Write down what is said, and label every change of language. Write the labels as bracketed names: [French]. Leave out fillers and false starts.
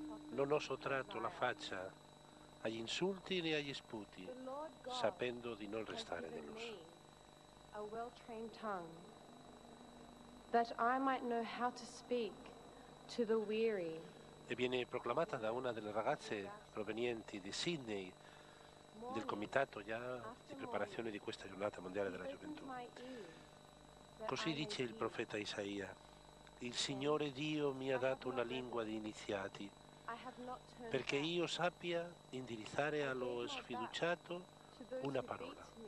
[Italian] Non ho sottratto la faccia agli insulti né agli sputi, sapendo di non restare deluso. [English] A well-trained tongue, that I might know how to speak to the weary. [Italian] E viene proclamata da una delle ragazze provenienti di Sydney, del comitato già di preparazione di questa giornata mondiale della gioventù. Così dice il profeta Isaia: il Signore Dio mi ha dato una lingua di iniziati, perché io sappia indirizzare allo sfiduciato una parola.